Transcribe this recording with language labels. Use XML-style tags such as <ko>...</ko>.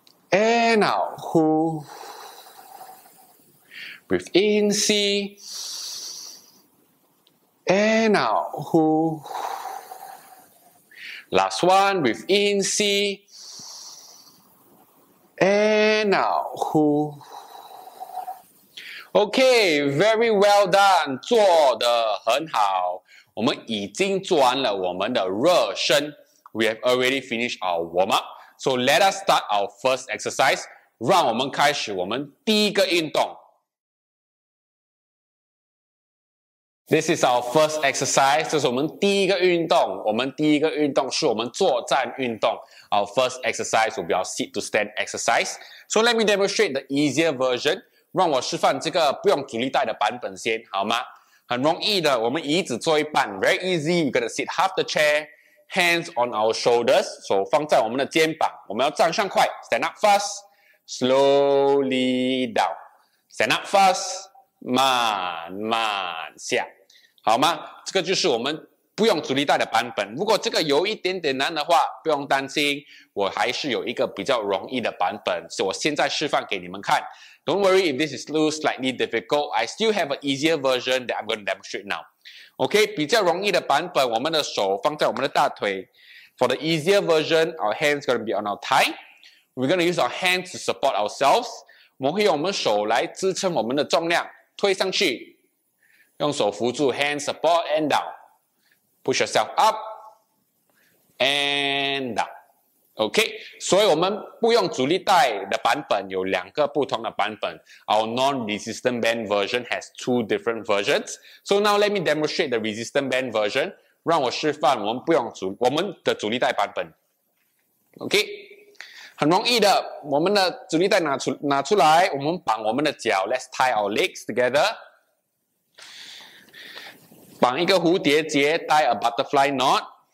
<en>And out, 呼 ，breathe in, 吸 ，and out, 呼 ，last one, breathe in, 吸 ，and out, 呼 ，OK, very well done,</en> <zh>做得很好，我们已经做完了我们的热身</zh> <en>，we have already finished our warm up。 So let us start our first exercise.</en> <zh>让我们开始我们第一个运动。</zh> <en>This is our first exercise.</en> <zh>这是我们第一个运动。我们第一个运动是我们作战运动。</zh> <en>Our first exercise will be our sit to stand exercise. So let me demonstrate the easier version.</en> <zh>让我示范这个不用阻力带的版本先，好吗？很容易的，我们椅子坐一半。</zh> <en>Very easy. We're gonna sit half the chair. Hands on our shoulders,</en> <zh>手放在我们的肩膀。我们要站上快 ，</zh> <en>stand up fast, slowly down, stand up fast,</en> <zh>慢慢下，好吗？这个就是我们不用阻力带的版本。如果这个有一点点难的话，不用担心，我还是有一个比较容易的版本，所以我现在示范给你们看。</zh> <en>Don't worry if this is too slightly difficult, I still have an easier version that I'm going to demonstrate now.</en> <zh>OK, 比较容易的版本，我们的手放在我们的大腿。</zh> <en>For the easier version, our hands are going to be on our thigh. We're going to use our hands to support ourselves.</en> <zh>我们会用我们手来支撑我们的重量，推上去，用手扶住 ，</zh> <en>hand support and down. Push yourself up and down.</en> <zh>OK, 所以我们不用阻力带的版本有两个不同的版本。</zh> <en>Our non-resistant band version has two different versions. So now let me demonstrate the resistant band version.</en> <zh>让我示范我们不用阻我们的阻力带版本。OK, 很容易的，我们的阻力带拿出来，我们绑我们的脚。</zh> <en>Let's tie our legs together.</en> <zh>绑一个蝴蝶结 ,</zh> <en>tie a butterfly knot.</en>